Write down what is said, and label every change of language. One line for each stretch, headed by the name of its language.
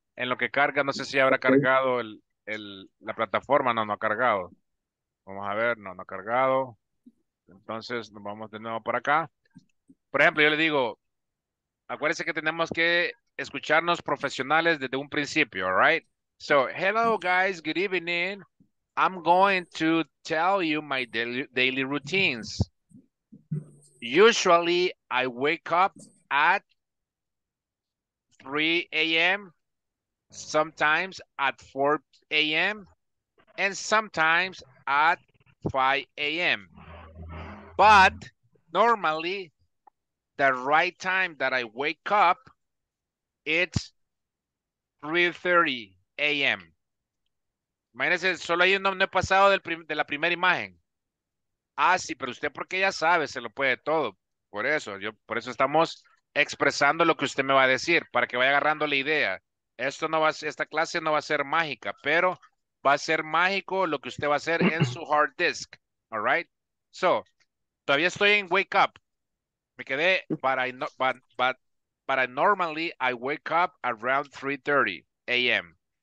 Spanish: En lo que carga, no sé si habrá cargado la plataforma. No, no ha cargado. Vamos a ver, no ha cargado. Entonces, nos vamos de nuevo para acá. Por ejemplo, yo le digo, acuérdense que tenemos que escucharnos profesionales desde un principio,
English: all right? So, hello guys, good evening. I'm going to tell you my daily routines. Usually, I wake up at 3 a.m., sometimes at 4 a.m., and sometimes at 5 a.m. But normally, the right time that I wake up, it's 3:30 a.m.
Spanish: Imagínense, solo ahí no he pasado de la primera imagen. Ah, sí, pero usted porque ya sabe, se lo puede todo. Por eso estamos expresando lo que usted me va a decir, para que vaya agarrando la idea. Esta clase no va a ser mágica, pero va a ser mágico lo que usted va a hacer en su hard disk.
English: All right? So,
Spanish: todavía estoy en
English: wake up.
Spanish: Me quedé,
English: but normally I wake up around 3:30 a.m.